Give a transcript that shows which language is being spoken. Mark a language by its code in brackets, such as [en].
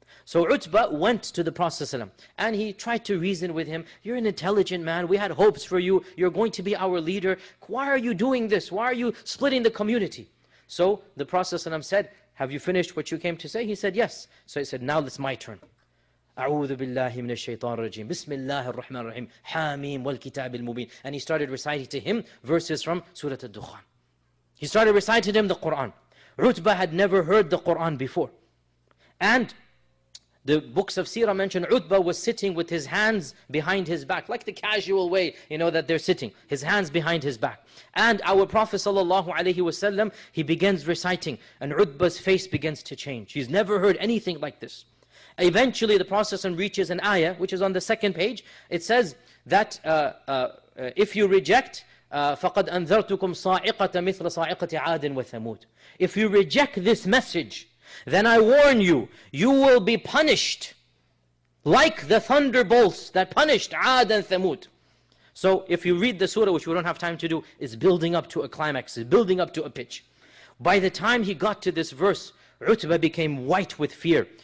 [en] So Utbah went to the Prophet ﷺ and he tried to reason with him. You're an intelligent man. We had hopes for you. You're going to be our leader. Why are you doing this? Why are you splitting the community? So the Prophet ﷺ said, have you finished what you came to say? He said, yes. So he said, now it's my turn. [ar] أعوذ بالله من الشيطان الرجيم بسم الله الرحمن الرحيم حاميم والكتاب المبين. [en] And he started reciting to him verses from Surah Al-Dukhan. He started reciting to him the Quran. Utbah had never heard the Quran before. And the books of Sirah mention Utbah was sitting with his hands behind his back, like the casual way, you know, that they're sitting, his hands behind his back. And our Prophet sallallahu alaihi wasallam, he begins reciting, and Utbah's face begins to change. He's never heard anything like this. Eventually, the Prophet reaches an ayah, which is on the second page. It says that if you reject, [ar] فَقَدْ أَنذَرْتُكُمْ صَاعِقَةً مِثْلَ صَاعِقَةِ عَادٍ وَثَمُودٍ. [en] If you reject this message, then I warn you, you will be punished like the thunderbolts that punished Ad and Thamud. So if you read the surah, which we don't have time to do, it's building up to a climax, it's building up to a pitch. By the time he got to this verse, Utbah became white with fear.